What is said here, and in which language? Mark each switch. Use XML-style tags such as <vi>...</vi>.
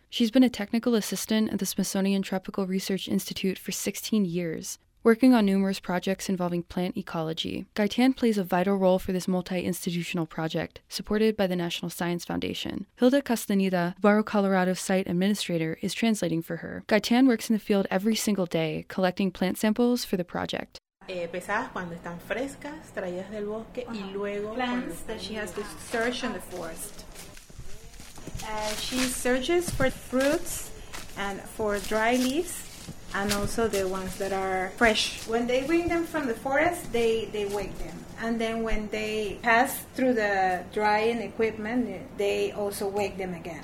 <en>She's been a technical assistant at the Smithsonian Tropical Research Institute for 16 years, working on numerous projects involving plant ecology. Gaitan plays a vital role for this multi-institutional project, supported by the National Science Foundation. Hilda Castaneda, Barro, Colorado site administrator, is translating for her. Gaitan works in the field every single day, collecting plant samples for the project.</en> <es>Pesadas cuando están frescas, traídas del bosque, y luego...</es> <en>Plants that she has to search in the forest. She searches for fruits and for dry leaves, and also the ones that are fresh. When they bring them from the forest, they weigh them. And then when they pass through the drying equipment, they also weigh them again.</en>